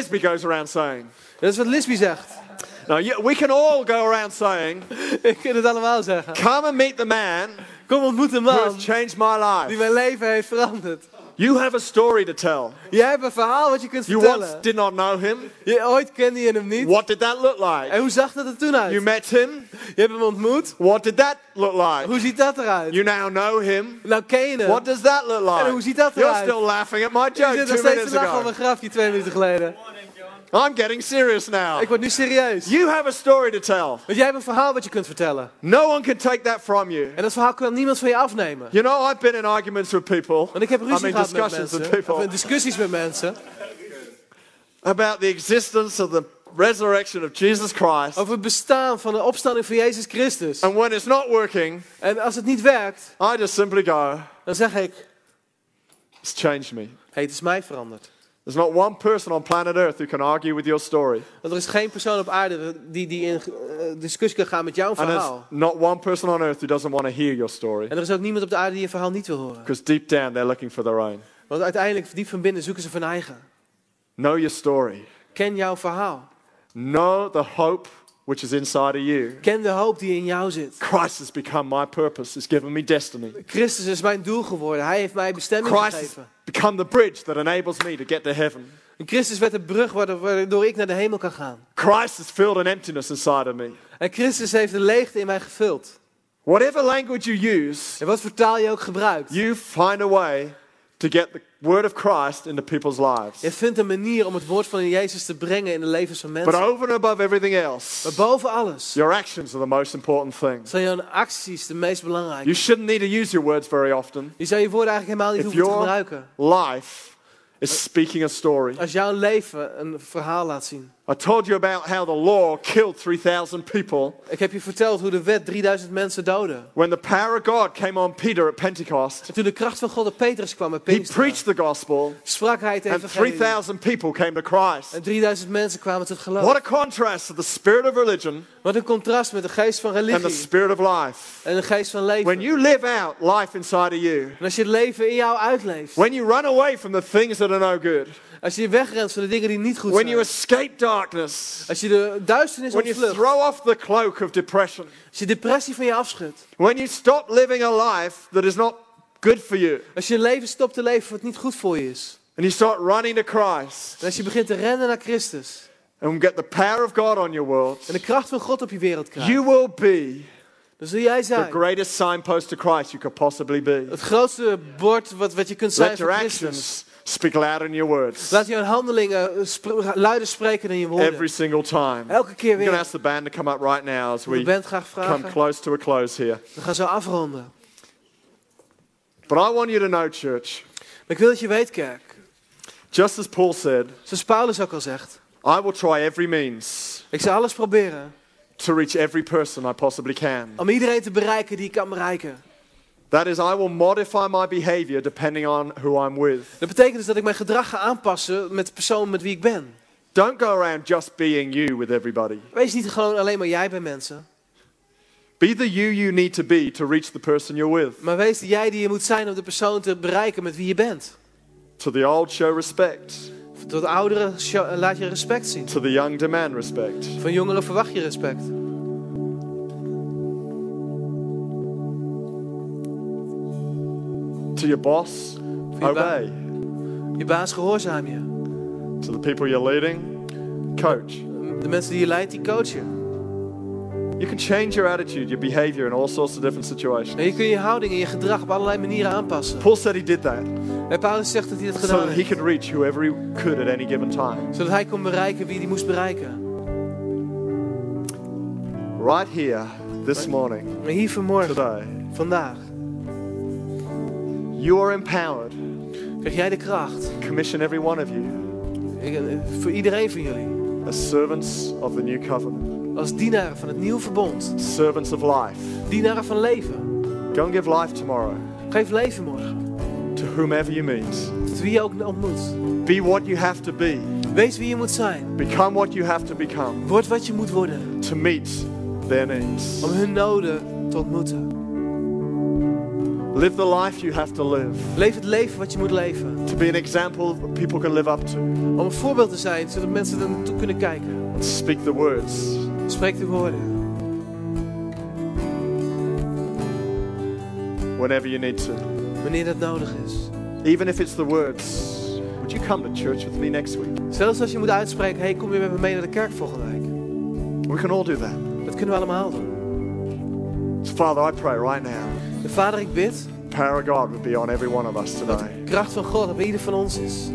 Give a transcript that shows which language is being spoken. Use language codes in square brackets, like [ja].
[en] What Lisby goes around saying. [nl] Dat is wat Lisby zegt. [en] Now, we can all go around saying. [nl] We kunnen het allemaal zeggen. [en] Come and meet the man. [nl] Kom, ontmoet de man. [en] Who has changed my life. [nl] Die mijn leven heeft veranderd. [en] You have a story to tell. [nl] Jij hebt een verhaal wat je kunt [en] you [nl] vertellen. [en] You once did not know him. [nl] Je ooit kende je hem niet. [en] What did that look like? [nl] En hoe zag dat er toen uit? [en] You met him. [nl] Je hebt hem ontmoet. [en] What did that look like? [nl] Hoe ziet dat eruit? [en] You now know him. [nl] Nou ken je hem. [en] What does that look like? [nl] En hoe ziet dat eruit? [en] You're still laughing at my joke 2 minutes ago. [nl] Je zit nog steeds te lachen op mijn grafje 2 minuten geleden. [en] I'm getting serious now. [nl] Ik word nu serieus. [en] You have a story to tell. [nl] Want jij hebt een verhaal wat je kunt vertellen. [en] No one can take that from you. [nl] En dat verhaal kan niemand van je afnemen. [en] You know, I've been in arguments with people. [nl] Want ik heb ruzie gehad met mensen. Discussies met mensen. [en] About the existence of the resurrection of Jesus Christ. [nl] Over het bestaan van de opstanding van Jezus Christus. [en] And when it's not working. [nl] En als het niet werkt. [en] I just simply go. [nl] Dan zeg ik. [en] It's changed me. [nl] Hey, het is mij veranderd. [en] There's not one person on planet Earth who can argue with your story. [nl] Er is geen persoon op aarde die in discussie kan gaan met jouw verhaal. [en] And there's not one person on Earth who doesn't want to hear your story. [nl] En er is ook niemand op de aarde die je verhaal niet wil horen. [en] Because deep down they're looking for their own. [nl] Want uiteindelijk diep van binnen zoeken ze van eigen. [en] Know your story. [nl] Ken jouw verhaal. [en] Know the hope which is inside of you. [nl] Ken de hoop die in jou zit. [en] Christ has become my purpose. He's given me destiny. [nl] Christus is mijn doel geworden. Hij heeft mij bestemming [en] Christ [nl] gegeven. [en] Become the bridge that enables me to get to heaven. [nl] Christus werd de brug waardoor ik naar de hemel kan gaan. [en] Christ has filled an emptiness inside of me. [nl] En Christus heeft een leegte in mij gevuld. [en] Whatever language you use. [nl] En wat voor taal je ook gebruikt. [en] You find a way to get the word of Christ into people's lives. [nl] Je vindt een manier om het woord van Jezus te brengen in de levens van mensen. [en] But over and above everything else. [nl] Maar boven alles. [en] Your actions are the most important thing. [nl] Zijn jouw acties de meest belangrijke. [en] You shouldn't need to use your words very often. [nl] Je zou je woorden eigenlijk helemaal niet hoeven te gebruiken. [en] Life is speaking a story. [nl] Als jouw leven een verhaal laat zien. [en] I told you about how the law killed 3,000 people. [nl] Ik heb je verteld hoe de wet 3,000 mensen doodde. [en] When the power of God came on Peter at Pentecost. [nl] Toen de kracht van God op Petrus kwam op Pentecost. [en] He preached the gospel. [nl] Sprak hij het evangelie. [en] And 3,000 people came to Christ. [nl] En 3,000 mensen kwamen tot geloof. [en] What a contrast to the spirit of religion. [nl] Wat een contrast met de geest van religie. [en] And the spirit of life. [nl] En de geest van leven. [en] When you live out life inside of you. [nl] En als je het leven in jou uitleeft. [en] When you run away from the things that are no good. [nl] Als je wegrent van de dingen die niet goed [en] when [nl] zijn. [en] You escape darkness. [nl] Als je de duisternis [en] when [nl] ontvlucht. [en] You throw off the cloak of depression. [nl] Als je depressie van je afschudt. [en] When you stop living a life that is not good for you. [nl] Als je een leven stopt te leven wat niet goed voor je is. [en] And you start running to Christ. [nl] En als je begint te rennen naar Christus. [en] And get the power of God on your world. [nl] En de kracht van God op je wereld krijgt. [en] You will be. [nl] Dan zul jij zijn. [en] The greatest signpost to Christ you could possibly be. [nl] Het grootste bord wat je kunt zijn. [en] Let your actions speak louder in your words. [nl] Laat je handelingen luider spreken dan je woorden. [en] Every single time. [nl] Elke keer weer. [en] We're going to ask the band to come up right now as we come close to a close here. [nl] We gaan zo afronden. [en] But I want you to know, church. [nl] Ik wil dat je weet, kerk. [en] Just as Paul said. [nl] Zoals Paulus ook al zegt. [en] I will try every means. [nl] Ik zal alles proberen. [en] To reach every person I possibly can. [nl] Om iedereen te bereiken die ik kan bereiken. [en] That is, I will modify my behavior depending on who I'm with. [nl] Dat betekent dus dat ik mijn gedrag ga aanpassen met de persoon met wie ik ben. [en] Don't go around just being you with everybody. [nl] Wees niet gewoon alleen maar jij bij mensen. [en] Be the you you need to be to reach the person you're with. [nl] Maar wees de jij die je moet zijn om de persoon te bereiken met wie je bent. [en] To the old show respect. [nl] Tot de ouderen laat je respect zien. [en] To the young demand respect. [nl] Van jongeren verwacht je respect. [en] To your boss, obey. [nl] Je baas gehoorzaam je. [en] To the people you're leading, coach. [nl] De mensen die je leidt, die coachen. [en] You can change your attitude, your behavior in all sorts of different situations. [nl] En je kunt je houding en je gedrag op allerlei manieren aanpassen. [en] Paul said he did that. [nl] En Paulus zegt dat hij het gedaan heeft. [en] So that he could reach whoever he could at any given time. [nl] Zodat hij kon bereiken wie hij moest bereiken. [en] Right here, this morning. [nl] Maar hier vanmorgen. [en] Today. [nl] Vandaag. [en] You are empowered. [nl] Krijg jij de kracht? [en] Commission every one of you. [nl] Voor iedereen van jullie. [en] As servants of the new covenant. [nl] Als dienaren van het nieuwe verbond. [en] Servants of life. [nl] Dienaren van leven. [en] Go and give life tomorrow. [nl] Geef leven morgen. [en] To whomever you meet. [nl] Tot wie je ook ontmoet. [en] Be what you have to be. [nl] Wees wie je moet zijn. [en] Become what you have to become. [nl] Word wat je moet worden. [en] To meet their needs. [nl] Om hun noden te ontmoeten. [en] Live the life you have to live. [nl] Leef het leven wat je moet leven. [en] To be an example that people can live up to. [nl] Om een voorbeeld te zijn zodat mensen er naartoe kunnen kijken. [en] And speak the words. [nl] Spreek de woorden. [en] Whenever you need to. [nl] Wanneer dat nodig is. [en] Even if it's the words. Would you come to church with me next week? [nl] Zelfs als je moet uitspreken, hey, kom je met me mee naar de kerk volgende week. [en] We can all do that. [nl] Dat kunnen we allemaal doen. [en] So Father, I pray right now. [nl] De Vader, ik bid. [en] Power of God would be on every one of us today. [nl] Dat de kracht van God op ieder van ons is.